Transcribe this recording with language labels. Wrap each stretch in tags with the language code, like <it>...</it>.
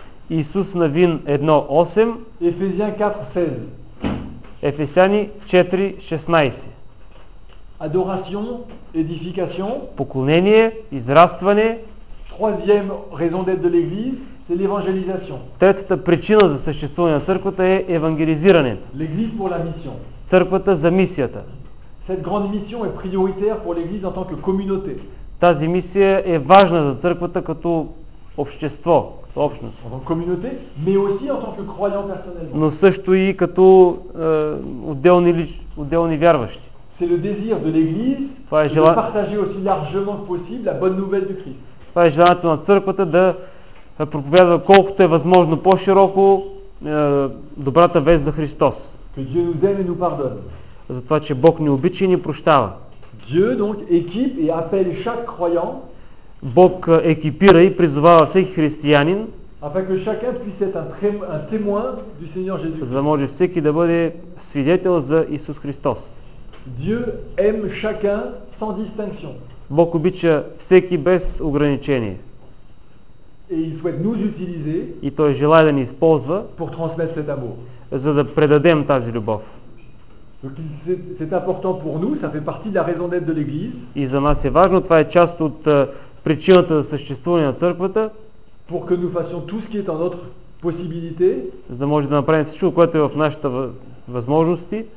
<bg>Исус на вин 1:8. Ефесяни 4:16. Ефесяни 4:16. Адорация, едификация, поклонение, израстване.</bg> <fr>Troisième raison d'être de l'église, c'est l'évangélisation.</fr> <bg>Третата причина за съществуване на църквата е евангелизиране.</bg> <fr>L'église pour la mission.</fr> <bg>Църквата за мисията.</bg> <fr>Cette grande mission est prioritaire pour l'église en tant que communauté.</fr> <bg>Тази мисия е важна за църквата като общество. Общност.</bg> <fr>En tant que communauté, mais aussi en tant que croyant personnellement.</fr> <bg>Но също и като отделни вярващи.</bg> <fr>C'est le désir de l'église de partager aussi largement possible la bonne nouvelle du Christ.</fr> <bg>Това е желанието на църквата да проповядва колкото е възможно по-широко добрата вест за Христос.</bg> <fr>Que Dieu nous aime et nous pardonne.</fr> <bg>За това, че Бог ни обича и ни прощава.</bg> <fr>Dieu donc équipe et appelle chaque croyant.</fr> <bg>Бог екипира и призовава всеки християнин,</bg> <fr>afin que chacun puisse être un témoin du Seigneur Jésus.</fr> <bg>За да може всеки да бъде свидетел за Исус Христос.</bg> <fr>Dieu aime chacun sans distinction.</fr> <bg>Бог обича всеки без ограничение.</bg> <fr>Et il souhaite nous utiliser.</fr> <bg>И той желая да ни използва.</bg> <fr>Pour transmettre cet amour.</fr> <bg>За да предадем тази любов.</bg> <fr>Donc c'est important pour nous, ça fait partie de la raison d'être de l'église.</fr> <bg>И за нас е важно, това е част от причината за съществуване на църквата.</bg> <fr>Pour que nous fassions tout ce qui est en notre possibilité.</fr> <bg>За да можем да направим всичко, което е в нашата възможности.</bg>